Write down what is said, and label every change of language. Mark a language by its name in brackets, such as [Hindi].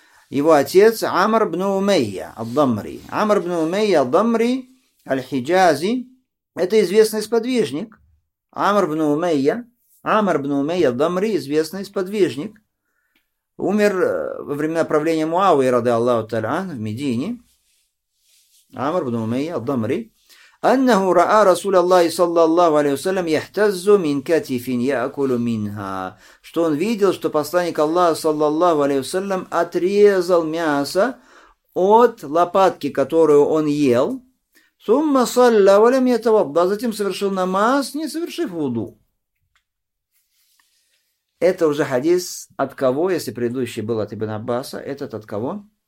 [Russian] Его отец Амр бни Умейят ад-Дамри. Амр бни Умейят ад-Дамри аль-Хиджази. Это известный сподвижник. Амр бни Умейят. Амар ибн Умейя ад-Дамри, известный сподвижник, умер во времена правления Муавии, ради Аллаху Таала, в Медине. Амар ибн Умейя ад-Дамри. [Arabic] أنه رأى رسول الله صلى الله عليه وسلم يحتز من كتف يأكل منها. [Russian] Что он видел, что посланник Аллаха [Arabic] صلى الله عليه وسلم [Russian] отрезал мясо от лопатки, которую он ел. [Arabic] ثم صلى ولم يتوضأ. [Russian] Затем совершил намаз, не совершив вуду. Это уже хадис от кого, если предыдущий был от Ибн Аббаса, этот от кого?